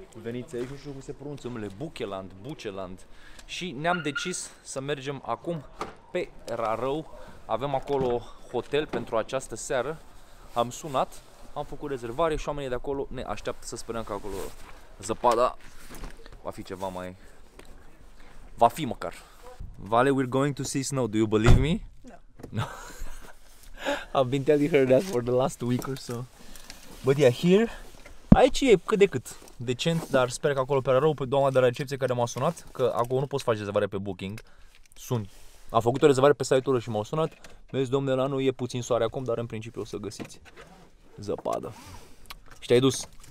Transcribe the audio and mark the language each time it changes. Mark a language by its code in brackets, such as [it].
[ro] Veniți aici, nu știu cum se pronunță numele, Bucheland, Bucheland. Și ne-am decis să mergem acum pe Rarău. Avem acolo hotel pentru această seară. Am sunat, am făcut rezervare și oamenii de acolo ne așteaptă. Să sperăm că acolo zăpada va fi ceva mai... va fi măcar. [en] Vale, we're going to see snow. Do you believe me? No. No. I've been telling her that for the last week or so. But yeah, here... [ro] aici e cât de cât decent, dar sper că acolo pe Rarău, pe doamna de la recepție care m-a sunat, că acolo nu poți face rezervare pe Booking. Suni. A făcut o rezervare pe site-ul și m-au sunat. Vezi, domnule, la noi e puțin soare acum, dar în principiu o să găsiți zăpadă. Și te-ai dus.